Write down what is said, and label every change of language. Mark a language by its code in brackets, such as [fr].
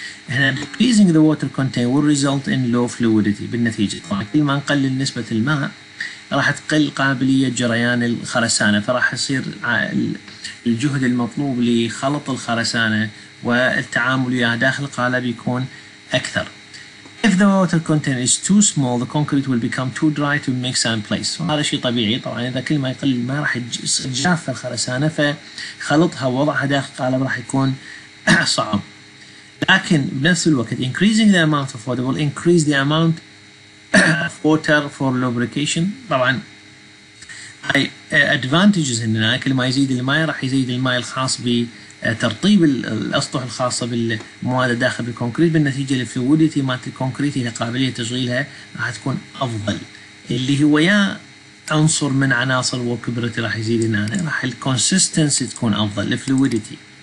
[ar] احنا [en] increasing the water content will result in low fluidity [ar] بالنتيجه طبعا كل ما نقلل نسبه الماء راح تقل قابليه جريان الخرسانه فراح يصير الجهد المطلوب لخلط الخرسانه والتعامل وياها داخل القالب يكون اكثر. [en] If the water content is too small the concrete will become too dry to mix and place. [ar] هذا شيء طبيعي طبعا اذا كل ما يقل الماء راح تجاف الخرسانه فخلطها ووضعها داخل القالب راح يكون صعب. لكن بنفس الوقت [en] increasing the amount of water will increase the amount of water for lubrication. [ar] طبعا هاي advantages ان كل ما يزيد الماء راح يزيد الماء الخاص ب ترطيب الأسطح الخاصة بالمواد الداخل بالكونكريت بالنتيجة الفلويديتي مالت الكونكريت هي قابلية تشغيلها راح تكون أفضل اللي هو يا عنصر من عناصر الوكبرتي راح يزيد هنا راح الكونسستنسي تكون أفضل الفلويديتي.